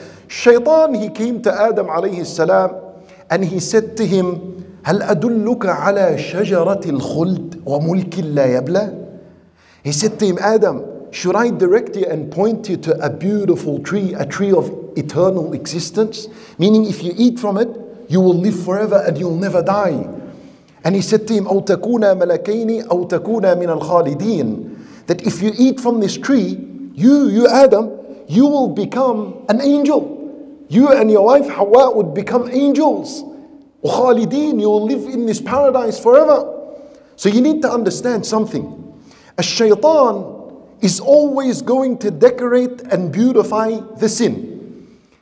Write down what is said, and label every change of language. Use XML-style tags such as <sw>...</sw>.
<en>Shaytan, he came to Adam alayhi salam and he said to him,</en> <ar>هَلْ أَدُلُّكَ عَلَى شَجَرَةِ الْخُلْدِ وَمُلْكٍ لَا يَبْلَى.</ar> <en>He said to him, Adam, should I direct you and point you to a beautiful tree, a tree of eternal existence? Meaning if you eat from it, you will live forever and you'll never die. And he said to him,</en> <ar>أَوْ تَكُونَ مَلَكَيْنِ أَوْ تَكُونَ مِنَ الْخَالِدِينَ.</ar> <en>That if you eat from this tree, you Adam, you will become an angel. You and your wife Hawa would become angels. Khalidin, you will live in this paradise forever. So you need to understand something. A shaytan is always going to decorate and beautify the sin.</en>